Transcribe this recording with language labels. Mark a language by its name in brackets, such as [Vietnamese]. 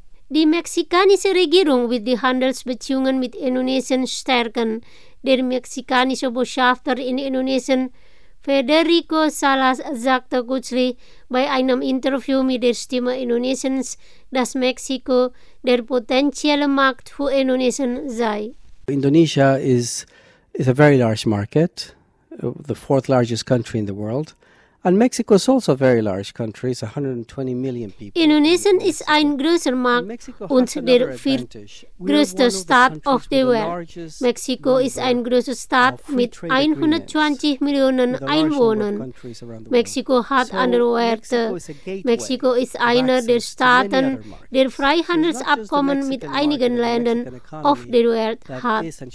[German] Die mexikanische Regierung will die Handelsbeziehungen mit Indonesien stärken. Der mexikanische Botschafter in Indonesien, Federico Salas, sagte kürzlich bei einem Interview mit der Stimme Indonesiens, dass Mexiko der potenzielle Markt für Indonesien sei. [English] Indonesia is a very large market, the fourth largest country in the world. And Mexico is also a very large country. It's 120 million people. [German] Indonesien ist ein großer Markt und der viertgrößte Staat auf der Welt. Mexiko ist ein großer Staat mit 120 Millionen Einwohnern. Mexiko hat andere Werte. Mexiko ist einer der Staaten, der Freihandelsabkommen mit einigen Ländern auf der Welt hat.